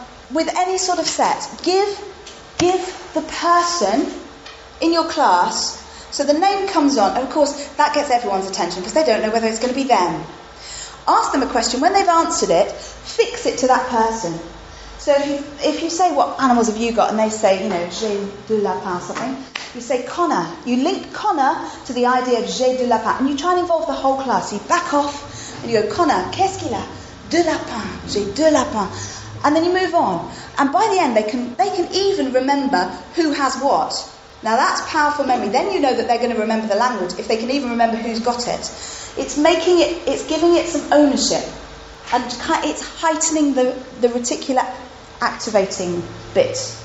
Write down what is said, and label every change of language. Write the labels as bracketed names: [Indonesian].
[English] With any sort of set, give the person in your class, so the name comes on, and of course that gets everyone's attention because they don't know whether it's going to be them. Ask them a question. When they've answered it, fix it to that person. So if you say, what animals have you got? And they say, you know, [French] j'ai du lapin [English] or something. You say, Connor. You link Connor to the idea of [French] j'ai du lapin. [English] And you try and involve the whole class. You back off and you go, Connor, [French] qu'est-ce qu'il a? De lapin. J'ai du lapin. [English] And then you move on. And by the end, they can even remember who has what. Now, that's powerful memory. Then you know that they're going to remember the language if they can even remember who's got it. It's making it, it's giving it some ownership. And it's heightening the reticular activating bit.